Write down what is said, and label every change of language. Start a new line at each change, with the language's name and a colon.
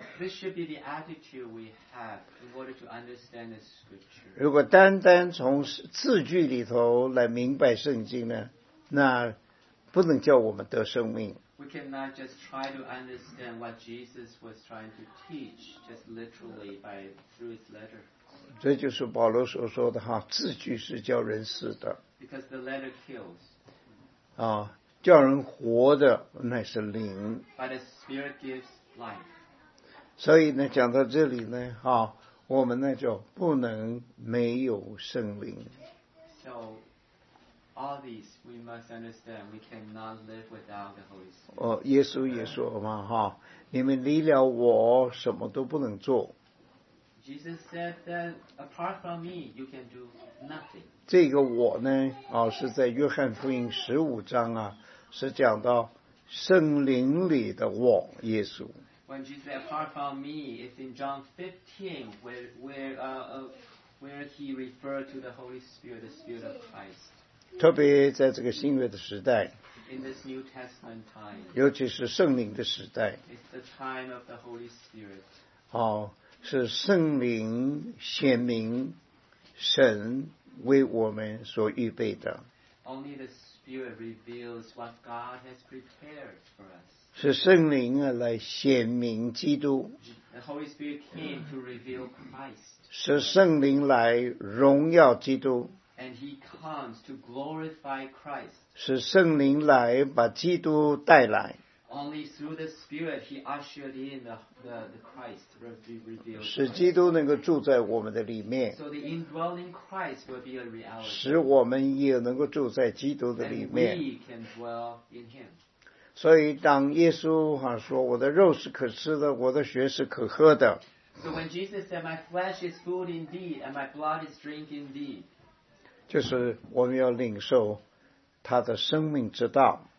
English: This should be the attitude we have in order to understand the scripture.
Chinese: 如果单单从字句里头来明白圣经呢，那不能叫我们得生命。
English: We cannot just try to understand what Jesus was trying to teach just literally by through his letter.
Chinese: 这就是保罗所说的哈，字句是叫人死的。
English: Because the letter kills.
Chinese: 啊，叫人活的乃是灵。
English: But the spirit gives life.
Chinese: 所以呢，讲到这里呢，哈，我们呢就不能没有圣灵。
English: So. All these we must understand. We cannot live without the Holy Spirit.
Chinese: 耶稣也说嘛，哈，你们离了我，什么都不能做。
English: Jesus said that apart from me, you can do nothing.
Chinese: 这个我呢，是在约翰福音十五章啊，是讲到圣灵里的我，耶稣。
English: When Jesus said apart from me, it's in John 15 where he referred to the Holy Spirit, the Spirit of Christ.
Chinese: 特别在这个新约的时代
English: In this New Testament time,
Chinese: 尤其是圣灵的时代
English: It's the time of the Holy Spirit.
Chinese: 是圣灵显明神为我们所预备的
English: Only the Spirit reveals what God has prepared for us.
Chinese: 是圣灵来显明基督。
English: The Holy Spirit came to reveal Christ.
Chinese: 是圣灵来荣耀基督。
English: And he comes to glorify Christ.
Chinese: 是圣灵来把基督带来。
English: Only through the Spirit he ushered in the Christ revealed.
Chinese: 使基督能够住在我们的里面。
English: So the indwelling Christ will be a reality.
Chinese: 使我们也能够住在基督的里面。
English: And we can dwell in him.
Chinese: 所以当耶稣说我的肉是可吃的，我的血是可喝的。
English: So when Jesus said, my flesh is food indeed, and my blood is drink indeed.
Chinese: 就是我们要领受他的生命之道。